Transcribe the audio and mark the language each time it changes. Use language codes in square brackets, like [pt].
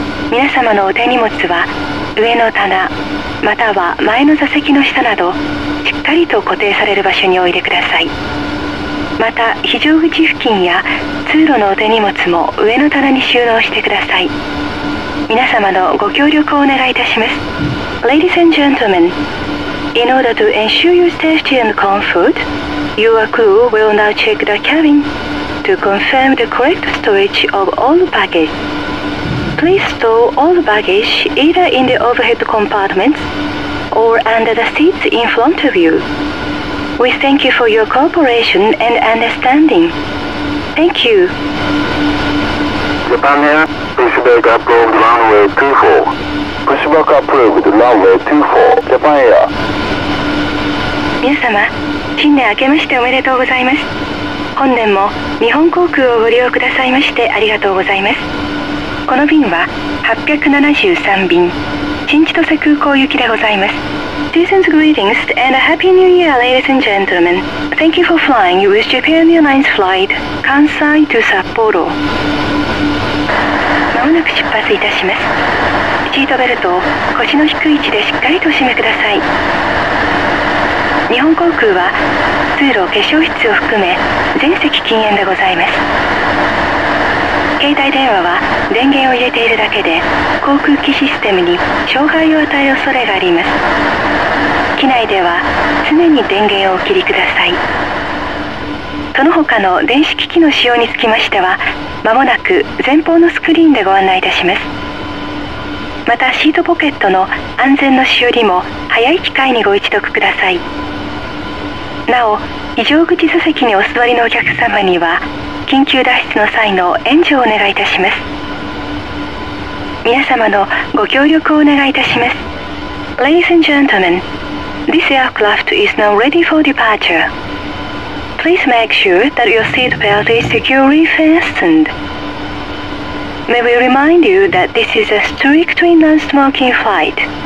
[ja] 皆様のお手荷物は、上の棚、または前の座席の下など、しっかりと固定される場所においでください。また、非常口付近や通路のお手荷物も上の棚に収納してください。皆様のご協力をお願いいたします。 [en] Ladies and gentlemen, in order to ensure your safety and comfort,Your crew will now check the cabin to confirm the correct storage of all baggage. Please store all baggage either in the overhead compartments or under the seats in front of you. We thank you for your cooperation and understanding. Thank you. Japan Air, pushback approved runway 24. Pushback approved runway 24, Japan Air. [ja] 皆様、新年明けましておめでとうございます。本年も日本航空をご利用くださいましてありがとうございます。この便は873便、新千歳空港行きでございます。 [en] Season's greetings and a happy new year, ladies and gentlemen. Thank you for flying with Japan Airlines flight, Kansai to Sapporo. [ja] まもなく出発いたします。シートベルトを腰の低い位置でしっかりとお締めください。日本航空は通路化粧室を含め全席禁煙でございます。携帯電話は電源を入れているだけで航空機システムに障害を与える恐れがあります。機内では常に電源をお切りください。その他の電子機器の使用につきましてはまもなく前方のスクリーンでご案内いたします。またシートポケットの安全のしおりも早い機会にご一読ください。なお、非常口座席にお座りのお客様には、緊急脱出の際の援助をお願いいたします。皆様のご協力をお願いいたします。 [en] Ladies and gentlemen, this aircraft is now ready for departure. Please make sure that your seat belt is securely fastened. May we remind you that this is a strictly non-smoking flight.